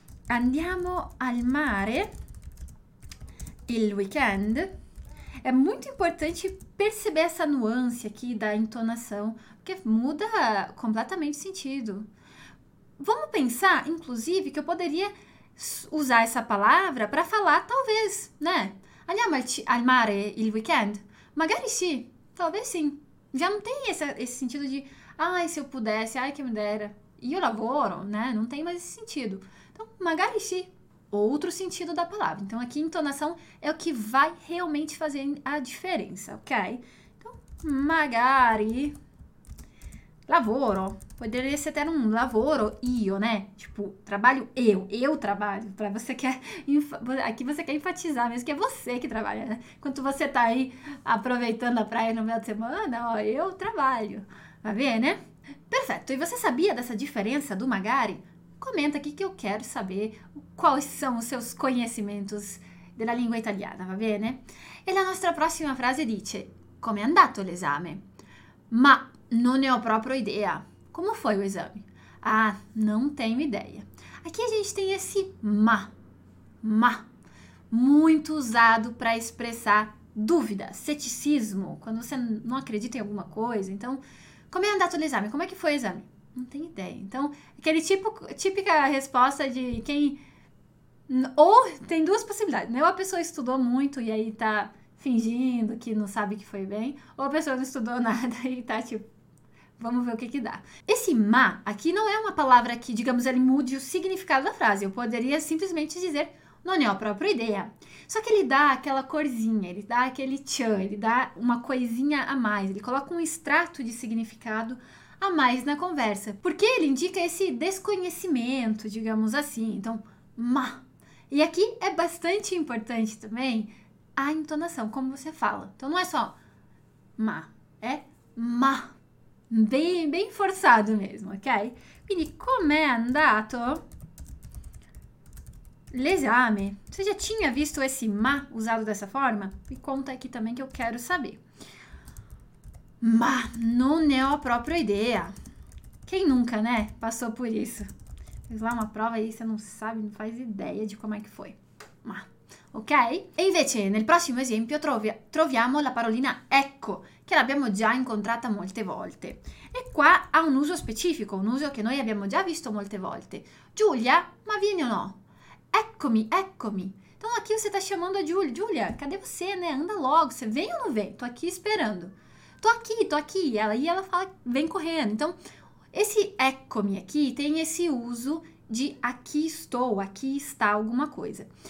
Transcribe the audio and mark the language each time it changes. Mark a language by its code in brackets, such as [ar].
[it] Andiamo al mare. Il weekend. [pt] É muito importante perceber essa nuance aqui da entonação, porque muda completamente o sentido. Vamos pensar, inclusive, que eu poderia usar essa palavra para falar talvez, né? [it] Andiamo al mare il weekend? Magari sì, [pt] talvez sim. Já não tem esse sentido de, ai, se eu pudesse, ai, que me dera. [it] Io lavoro, [pt] né? Não tem mais esse sentido. Então, [it] magari sì. [pt] Outro sentido da palavra. Então, aqui, entonação é o que vai realmente fazer a diferença, ok? Então, magari, Lavoro. Poderia ser até um lavoro, io, né? Tipo, trabalho eu trabalho. Para você quer aqui você quer enfatizar mesmo que é você que trabalha, né? Enquanto você tá aí aproveitando a praia no meio de semana, ó, eu trabalho. Tá bem, né? Perfeito. E você sabia dessa diferença do magari? Comenta aqui que eu quero saber quais são os seus conhecimentos [it] della lingua italiana, va bene? E la nostra prossima frase dice: come è andato l'esame? Ma non ne ho proprio idea. [pt] Come foi o esame? Ah, non tenho idea. Aqui a gente tem esse ma, muito usado para expressar dúvida, ceticismo, quando você não acredita em alguma coisa. Então, como é andado o exame? Como é que foi o exame? Não tenho ideia. Então, aquele tipo, típica resposta de quem. Ou tem duas possibilidades, né? Ou a pessoa estudou muito e aí tá fingindo que não sabe que foi bem, ou a pessoa não estudou nada e tá tipo, vamos ver o que que dá. Esse ma aqui não é uma palavra que, digamos, ele mude o significado da frase. Eu poderia simplesmente dizer [it] non ne ho proprio idea. [pt] Só que ele dá aquela corzinha, ele dá aquele tchan, ele dá uma coisinha a mais, ele coloca um extrato de significado a mais na conversa. Porque ele indica esse desconhecimento, digamos assim. Então, ma. E aqui é bastante importante também a entonação, como você fala. Então não é só ma, é ma. Bem, bem forçado mesmo, ok? [it] Quindi, com'è andato l'esame? [pt] Você já tinha visto esse ma usado dessa forma? Me conta aqui também que eu quero saber. [it] Ma, non ne ho proprio idea. [pt] Quem nunca, né? Passou por isso. Fiz lá uma prova e você não sabe, não faz ideia de como é que foi. Ma, ok? [it] E invece, nel prossimo esempio, troviamo la parolina ecco, che l'abbiamo già incontrata molte volte. E qua ha un uso specifico, un uso che noi abbiamo già visto molte volte. Giulia, ma vieni o no? Eccomi, eccomi. [pt] Então, aqui você está chamando a Giulia. Giulia, cadê você, né? Anda logo, você vem ou não vem? Tô aqui esperando. Tô aqui. E ela fala, vem correndo. Então, esse eccomi aqui tem esse uso de aqui estou, aqui está alguma coisa.